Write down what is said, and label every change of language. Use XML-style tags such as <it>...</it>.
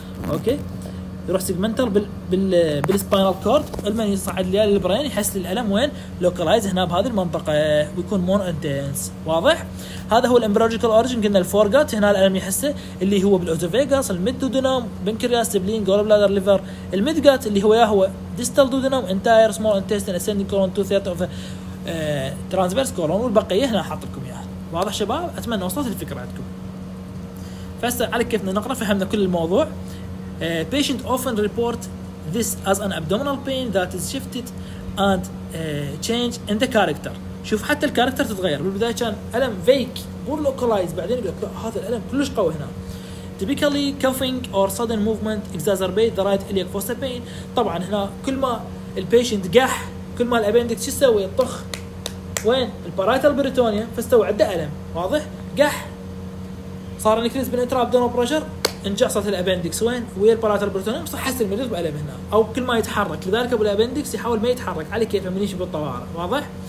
<ar>اوكي، يروح سيجمنتال بالسباينال كورد، المن يصعد لي للبرين يحس الالم وين؟ لوكالايز هنا بهذه المنطقه ويكون مون انتنس، واضح؟ هذا هو الامبريولوجيكال اوريجين، قلنا الفورغات هنا الالم يحسه اللي هو بالاوتوفيغاس الميدودونوم بنكرياس سبلين جول بلادر ليفر، الميدغات اللي هو يا هو ديستال دودونوم انتاير سمول انتستين اسيندينج كولون تو ثيرت اوف ترانسفيرس كولون، والبقيه هنا حاط لكم اياها، واضح شباب؟ اتمنى وصلت الفكره عندكم. فهسه على كيفنا نقرا فهمنا كل الموضوع.</ar> <en>Patient often report this as an abdominal pain that is shifted and change in the character.</en> <ar>شوف حتى الكاركتر تتغير، بالبداية كان ألم</ar> <en>vague more localized،</en> <ar>بعدين يقول لك هذا الألم كلش قوي هنا.</ar> <en>Typically coughing or sudden movement exacerbate the right iliac fossa pain.</en> <ar>طبعا هنا كل ما البيشنت قح كل ما الابندكس شو يسوي؟ طخ وين؟ البارايتال بريتونيا، فاستوى عنده ألم، واضح؟ قح صار انكريز بالانترا ابدومينال بريشر، انجصت الابندكس وين؟ ويا البارايتال بريتونيوم، صح حس المريض بألم هنا او كل ما يتحرك، لذلك ابو الابندكس يحاول ما يتحرك على كيفه من يجي بالطوارئ، واضح؟</ar>